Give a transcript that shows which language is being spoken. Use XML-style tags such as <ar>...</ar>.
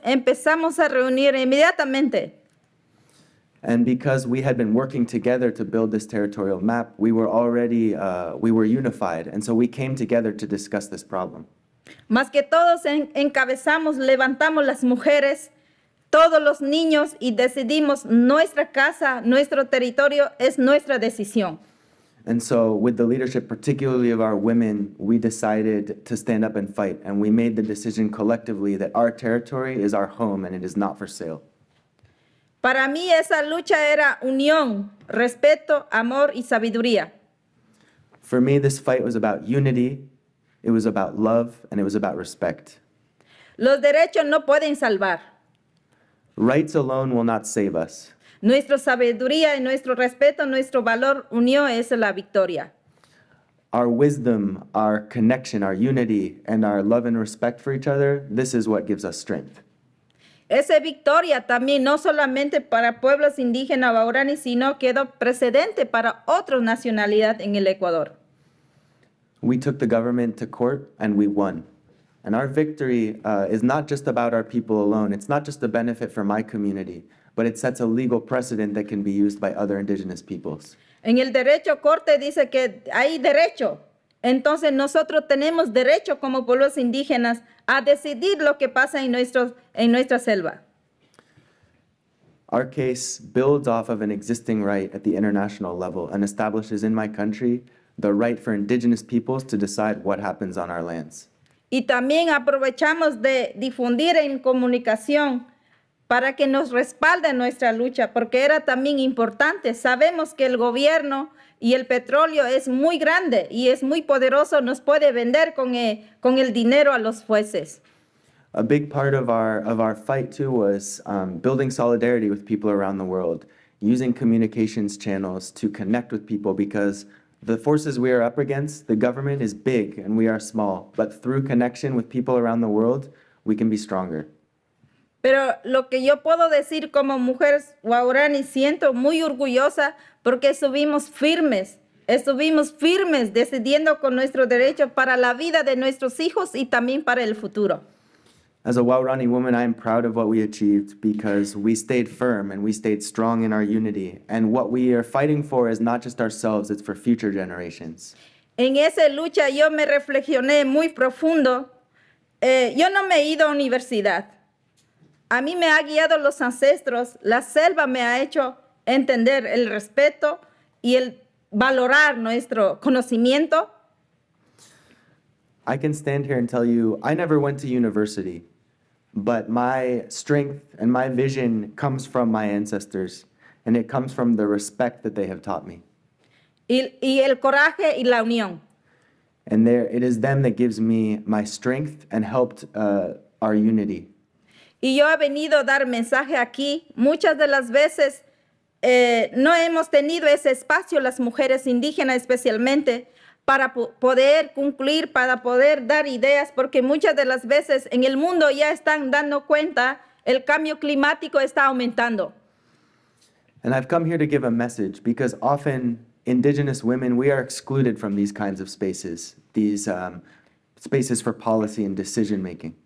<es>Empezamos a reunir inmediatamente.</es> <en>And because we had been working together to build this territorial map, we were already, we were unified. And so we came together to discuss this problem.</en> <es>Más que todos encabezamos, levantamos las mujeres, todos los niños, y decidimos nuestra casa, nuestro territorio, es nuestra decisión.</es> <en>And so with the leadership, particularly of our women, we decided to stand up and fight. And we made the decision collectively that our territory is our home and it is not for sale.</en> <es>Para mí esa lucha era unión, respeto, amor y sabiduría.</es> <en>For me this fight was about unity, it was about love, and it was about respect.</en> <es>Los derechos no pueden salvar.</es> <en>Rights alone will not save us.</en> <es>Nuestra sabiduría y nuestro respeto, nuestro valor unió es la victoria.</es> <en>Our wisdom, our connection, our unity, and our love and respect for each other, this is what gives us strength.</en> <es>Esa victoria también no solamente para pueblos indígenas guaraní, sino quedó precedente para otras nacionalidades en el Ecuador.</es> <en>We took the government to court and we won. And our victory is not just about our people alone. It's not just a benefit for my community, but it sets a legal precedent that can be used by other indigenous peoples.</en> <es>En el derecho corte dice que hay derecho. Entonces nosotros tenemos derecho como pueblos indígenas a decidir lo que pasa en nuestra selva.</es> <en>Our case builds off of an existing right at the international level and establishes in my country the right for indigenous peoples to decide what happens on our lands.</en> <es>Y también aprovechamos de difundir en comunicación para que nos respalde nuestra lucha, porque era también importante. Sabemos que el gobierno y el petróleo es muy grande y es muy poderoso, nos puede vender con el dinero a los jueces.</es> <en>A big part of our fight too was building solidarity with people around the world, using communications channels to connect with people, because the forces we are up against, the government is big and we are small, but through connection with people around the world, we can be stronger.</en> <es>Pero lo que yo puedo decir como mujer guaraní, siento muy orgullosa porque estuvimos firmes decidiendo con nuestro derecho para la vida de nuestros hijos y también para el futuro.</es> <en>As a guaraní woman, I am proud of what we achieved because we stayed firm and we stayed strong in our unity. And what we are fighting for is not just ourselves, it's for future generations.</en> <es>En esa lucha yo me reflexioné muy profundo. Yo no me he ido a universidad. A mí me ha guiado los ancestros, la selva me ha hecho entender el respeto y el valorar nuestro conocimiento.</es> <en>I can stand here and tell you, I never went to university, but my strength and my vision comes from my ancestors, and it comes from the respect that they have taught me.</en> <es>Y el coraje y la unión.</es> <en>And there, it is them that gives me my strength and helped our unity.</en> <es>Y yo he venido a dar mensaje aquí. Muchas de las veces no hemos tenido ese espacio, las mujeres indígenas especialmente, para poder concluir, para poder dar ideas, porque muchas de las veces en el mundo ya están dando cuenta, el cambio climático está aumentando.</es> <en>And I've come here to give a message, because often indigenous women, we are excluded from these kinds of spaces, these spaces for policy and decision making.</en>